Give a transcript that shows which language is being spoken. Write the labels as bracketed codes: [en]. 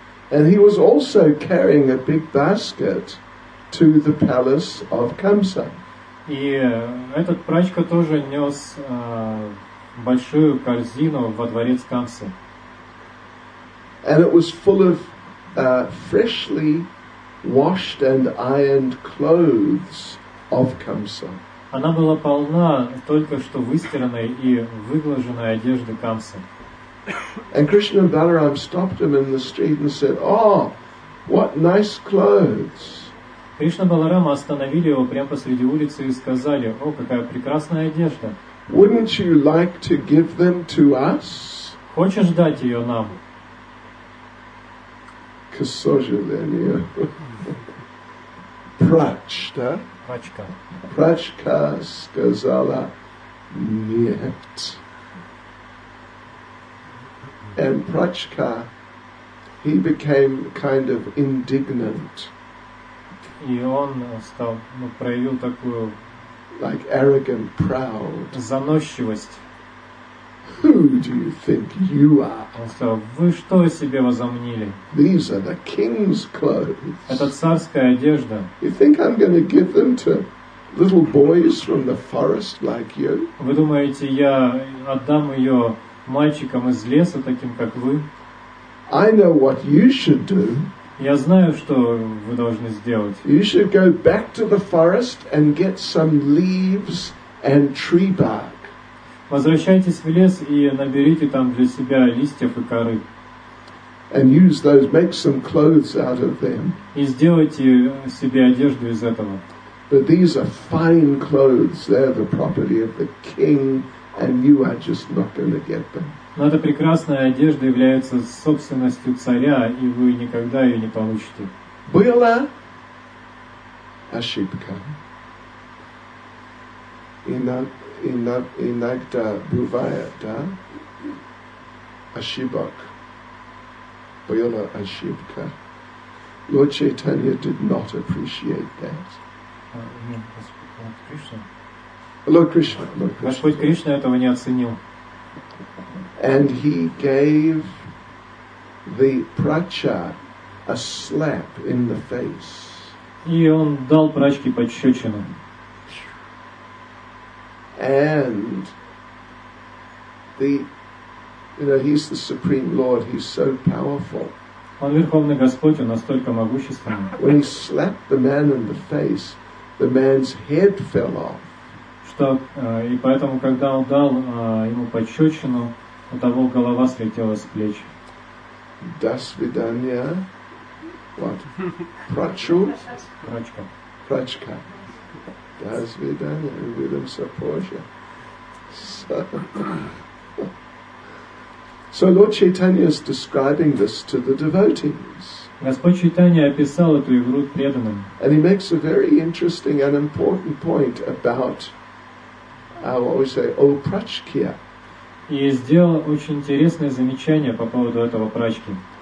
[en] And he was also carrying a big basket to the palace of Kamsa. [ru] И этот прачка тоже нес большую корзину во дворец Камсы. [en] And it was full of freshly washed and ironed clothes of Kamsa. [ru] Она была полна только что выстиранной и выглаженной одежды Камсы. [en] And Krishna and Balaram stopped him in the street and said, "Oh, what nice clothes!" [ru] Кришна Баларама остановили его прямо посреди улицы и сказали: «О, какая прекрасная одежда! [en] Wouldn't you like to give them to us?» [ru] Хочешь дать ее нам? К сожалению. Прачта. Прачка. Прачка сказала нет. [en] And Прачка, he became kind of indignant. [ru] И он стал, ну, проявил такую, [en] like arrogant, proud. [ru] Заносчивость. [en] Who do you think you are? [ru] Он сказал: вы что о себе возомнили? [en] These are the king's clothes. [ru] Это царская одежда. [en] You think I'm going to give them to little boys from the forest like you? [ru] Вы думаете, я отдам ее мальчикам из леса таким, как вы? [en] I know what you should do. [ru] Я знаю, что вы должны сделать. [en] You should go back to the forest and get some leaves and tree bark. [ru] Возвращайтесь в лес и наберите там для себя листьев и коры. [en] And use those, make some clothes out of them. [ru] И сделайте себе одежду из этого. [en] But these are fine clothes. They're the property of the king, and you are just not going to get them. [ru] Но эта прекрасная одежда является собственностью царя, и вы никогда ее не получите. Была ошибка. Иногда бывает, да? Ошибок. Была ошибка. [en] Lord Chaitanya did not appreciate that. Lord Krishna. [ru] Господь Кришна этого не оценил. [en] And he gave the Pracha a slap in the face. [ru] И он дал Прачке пощечину. [en] And the, you know, he's the Supreme Lord. He's so powerful. [ru] Он верховный Господь, он настолько могущественный. When he slapped the man in the face, the man's head fell off. Что, и поэтому, когда он дал ему пощечину, у того голова слетела с плеч. До свидания. Вот. Прачу. Прачка. Прачка. До свидания. Увидимся позже. [en] So Lord Chaitanya is describing this to the devotees. [ru] Господь Чайтанья описал эту игру преданным. [en] And he makes a very interesting and important point about how we say, O Prachkya. [ru] И сделал очень интересное замечание по поводу этого прачки.